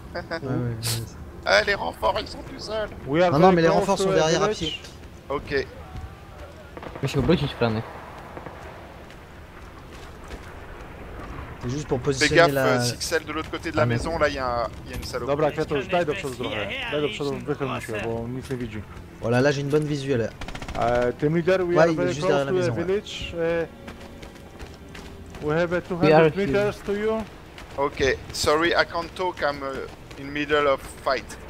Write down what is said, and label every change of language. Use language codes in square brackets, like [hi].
[fr] ouais. Ah, les renforts, ils sont tout seuls. Non, non, mais les renforts sont derrière à pied. Okay. [pl] Musi obrócić plany. [fr] Juste pour positionner la... Sixel de l'autre côté de la maison, là y'a une salope. [pl] Dobra, Kwiatusz, daj do przodu trochę. Daj do przodu, wychylmy się, bo nic nie widzi. [fr] Voilà, là j'ai une bonne visuelle. [en] Team leader, we are very close to the village. We have 200 meters to you. Okay, sorry, I can't talk, I'm in the middle of fight.